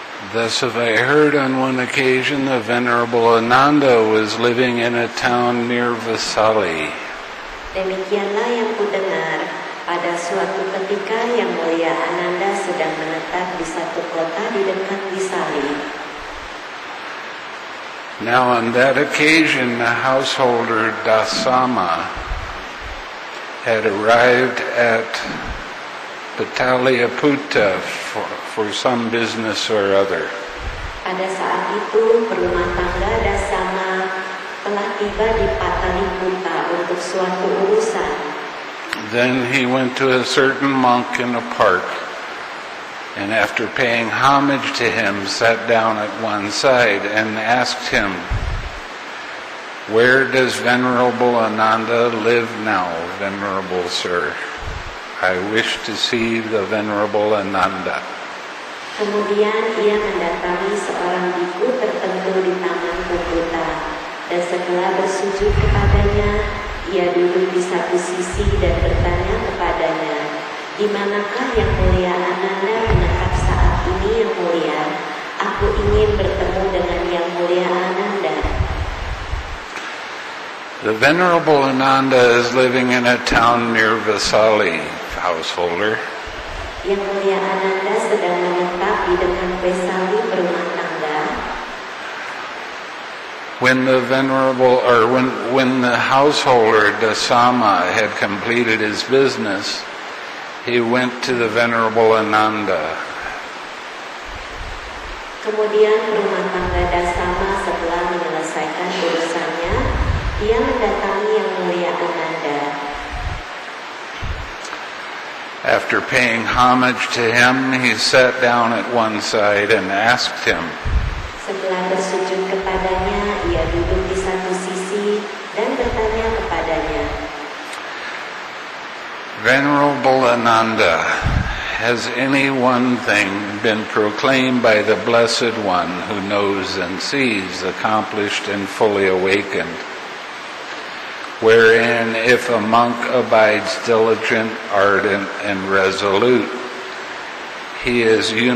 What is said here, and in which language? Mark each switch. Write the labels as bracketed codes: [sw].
[en] Thus have I heard on one occasion the Venerable Ananda was living in a town near Vasali. [id] Demikianlah yang kudengar, pada suatu ketika yang mulia Ananda sedang menetap di satu kota di dekat Vasali. [en] Now on that occasion the householder Dasama had arrived at Pataliputta for some business or other. [id] Pada saat itu, rumah tangga Dasama telah tiba di Pataliputta untuk suatu urusan. [en] Then he went to a certain monk in a park, and after paying homage to him, sat down at one side and asked him, "Where does Venerable Ananda live now, Venerable Sir? I wish to see the Venerable Ananda." [id] Kemudian ia mendatangi seorang biku tertentu di taman Kukuta, dan setelah bersujud kepadanya, ia duduk di satu sisi dan bertanya kepadanya, "Di manakah yang mulia Ananda menetap saat ini, yang mulia? Aku ingin bertemu dengan yang mulia Ananda." [en] "The Venerable Ananda is living in a town near Vasali, householder." [id] Yang mulia Ananda sedang menetap di dekat Vasali, rumah tangga. [en] When the householder Dasama had completed his business, he went to the Venerable Ananda. [id] Kemudian rumah tangga Dasama setelah menyelesaikan urusannya, ia mendatangi yang mulia Ananda. [en] After paying homage to him, he sat down at one side and asked him. [id] Setelah bersujud kepadanya, ia duduk di satu sisi dan bertanya kepadanya, [en] "Venerable Ananda, has any one thing been proclaimed by the Blessed One who knows and sees, accomplished and fully awakened, wherein if a monk abides diligent, ardent, and resolute, his